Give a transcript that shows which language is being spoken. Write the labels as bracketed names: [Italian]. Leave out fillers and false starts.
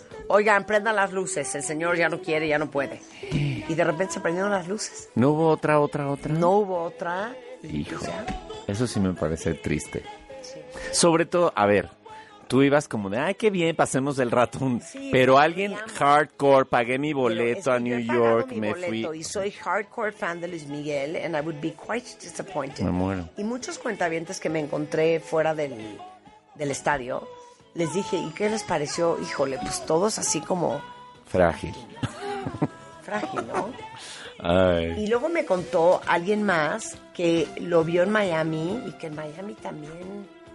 [Spanish] Oigan, prendan las luces, el señor ya no quiere, ya no puede. ¿Qué? Y de repente se prendieron las luces. ¿No hubo otra? No hubo otra. Hijo, o sea, eso sí me parece triste. Sí. Sobre todo, a ver, tú ibas como de, ay, qué bien, pasemos el ratón. Sí, pero alguien hardcore, pagué mi boleto a New York, me fui. Y soy hardcore fan de Luis Miguel, [English] and I would be quite disappointed. [Spanish] Me muero. Y muchos cuentavientes que me encontré fuera del estadio, les dije, ¿y qué les pareció? Híjole, pues todos así como... Frágil. Frágil, ¿no? Ay. Y luego me contó alguien más que lo vio en Miami y que en Miami también...